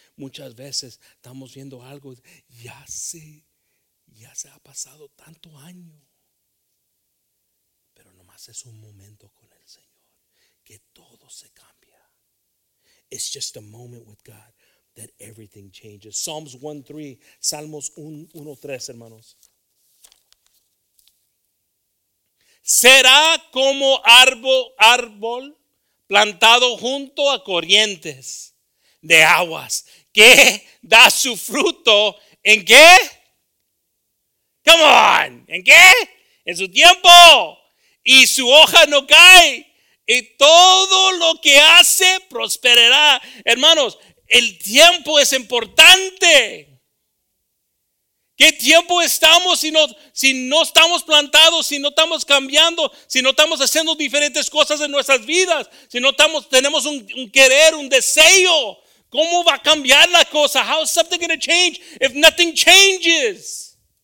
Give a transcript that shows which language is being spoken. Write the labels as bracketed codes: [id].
[es] Muchas veces estamos viendo algo, ya se ha pasado tanto año. Pero nomás es un momento con el Señor, que todo se cambia. [en] It's just a moment with God that everything changes. [es] Psalms 1:3, hermanos. Será como árbol plantado junto a corrientes de aguas que da su fruto en qué? [en] Come on, [es] ¿en qué? En su tiempo. Y su hoja no cae. Y todo lo que hace prosperará. Hermanos, El tiempo es importante. ¿Qué tiempo estamos si no estamos plantados, si no estamos cambiando, si no estamos haciendo diferentes cosas en nuestras vidas, si no estamos, tenemos un querer, un deseo? ¿Cómo va a cambiar la cosa? [en] How is something going to change if nothing changes?